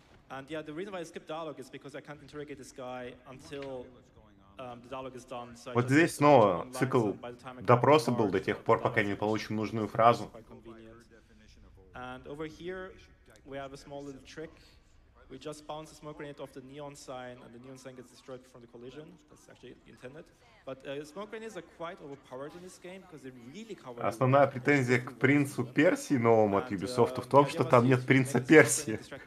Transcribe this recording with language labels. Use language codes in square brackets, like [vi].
[en] And yeah, the reason why I skip dialogue is because I can't interrogate this guy until the dialogue is done. So [ru] вот здесь снова цикл допроса был до тех пор, пока не получим нужную фразу. [en] And over here we have a small little trick. We just bounce a smoke grenade off the neon sign, and the neon sign gets destroyed from the collision. That's actually intended. But smoke grenades are quite overpowered in this game because they really cover. [ru] Основная претензия к принцу Персии новому от Ubisoft в том, что там нет принца Персии.